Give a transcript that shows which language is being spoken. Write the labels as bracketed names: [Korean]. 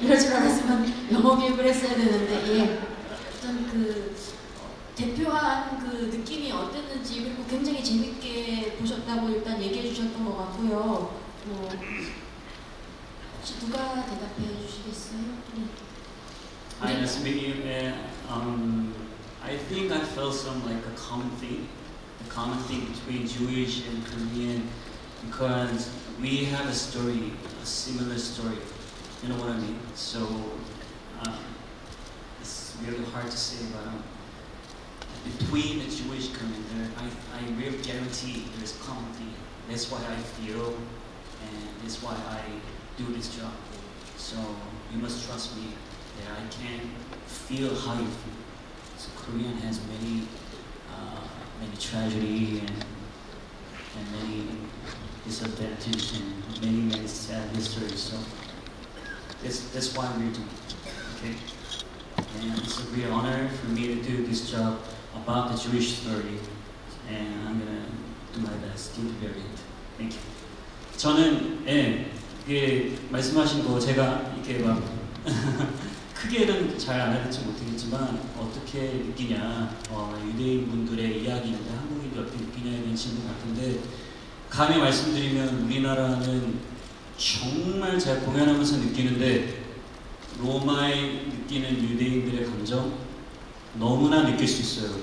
[Korean] 이럴 줄 알았으면 영어 교육을 했어야 되는데. 예. 일단 그 대표한 그 느낌이 어땠는지 그리고 굉장히 재밌게 보셨다고 일단 얘기해 주셨던 것 같고요. 혹시 누가 대답해 주시겠어요? [English] 네. I'm nice meeting you, man. I think I felt some like a common thing, a common thing between Jewish and Korean, because we have a story, a similar story. You know what I mean? So it's really hard to say, but between the Jewish community, I really guarantee there's common thing. That's what I feel. And that's why I do this job. So you must trust me that I can feel how you feel. So Korean has many, many tragedy and many disadvantage and many, many sad history. So that's why we're doing it, okay? And it's a real honor for me to do this job about the Jewish story. And I'm gonna do my best to deliver it. Thank you. [Korean] 저는 예, 그 말씀하신 거 제가 이렇게 막 크게는 잘 알아듣지 못하겠지만 어떻게 느끼냐, 유대인 분들의 이야기인데 한국인이 어떻게 느끼냐에 대한 질문 같은데 감히 말씀드리면 우리나라는 정말 제가 공연하면서 느끼는데 로마에 느끼는 유대인들의 감정 너무나 느낄 수 있어요.